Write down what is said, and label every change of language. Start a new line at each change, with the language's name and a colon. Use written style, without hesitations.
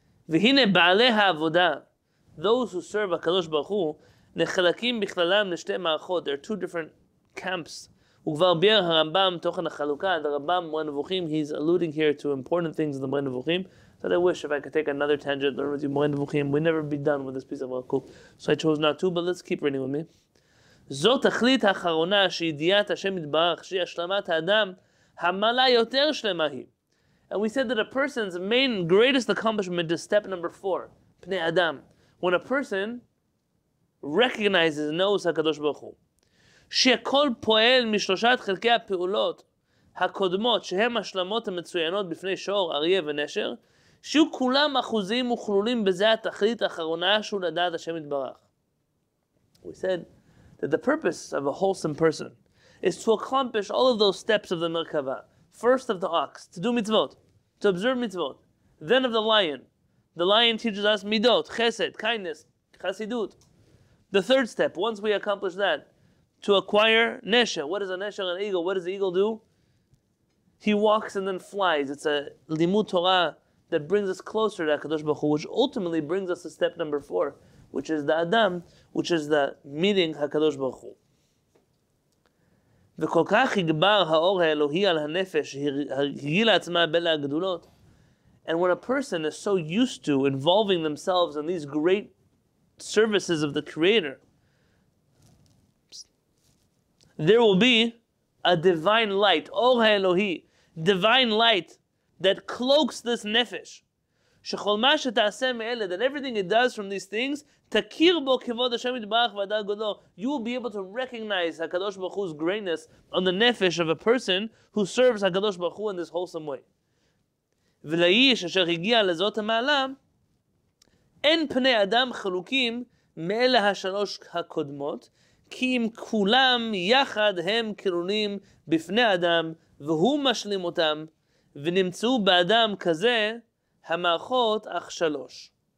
Hebrew: V'hine ba'alei ha'avodah,
English: those who serve HaKadosh Baruch Hu,
Hebrew: nechalakim b'chlalam l'shtei ma'achot,
English: there are two different camps.
Hebrew: U'kvar bi'er ha'rambam tochen ha'chalukah,
English: the Rambam, Moreh Nevuchim, he's alluding here to important things in the Moreh Nevuchim. That I wish if I could take another tangent, learn with you Moreh Nevuchim, we'd never be done with this piece of Baruch Hu. So I chose not to, but let's keep reading with me.
Hebrew: זו תכלית האחרונה שידיעת השם יתברך שהיא השלמת האדם המלא יותר שלמה היא.
English: And we said that a person's main greatest accomplishment is step number 4,
Hebrew: פני אדם.
English: When a person recognizes, knows הקדוש ברוך הוא.
Hebrew: שכל פועל משלושת חלקי הפעולות הקודמות שהם השלמות המצוינות בפני שור, אריה ונשר, שיהיו כולם אחוזים וכלולים בזה התכלית האחרונה שהוא לדעת השם יתברך.
English: We said that the purpose of a wholesome person is to accomplish all of those steps of the Merkava. First of the ox, to do mitzvot, to observe mitzvot. Then of the lion. The lion teaches us midot, chesed, kindness, chasidut. The third step, once we accomplish that, to acquire nesha. What is a nesha? An eagle. What does the eagle do? He walks and then flies. It's a limud Torah that brings us closer to HaKadosh Baruch Hu, which ultimately brings us to step number 4. Which is the Adam, which is the meeting HaKadosh Baruch Hu.
Hebrew: וכל כך יגבר האור האלוהי על הנפש הרגילה עצמה בלה הגדולות.
English: And when a person is so used to involving themselves in these great services of the Creator, there will be a divine light,
Hebrew: אור האלוהי,
English: divine light that cloaks this nefesh.
Hebrew: שכל מה שתעשה מאלה,
English: that everything it does from these things,
Hebrew: תכיר בו כבוד השם יתברך והדר גודלו.
English: You will be able to recognize HaKadosh Baruch Hu's greatness on the nefesh of a person who serves HaKadosh Baruch Hu in this wholesome way.
Hebrew: ולאיש אשר הגיע לזאת המעלה, אין פני אדם חלוקים מאלה השלוש הקודמות, כי אם כולם יחד הם כלולים בפני אדם, והוא משלים אותם, ונמצאו באדם כזה, המערכות אך שלוש.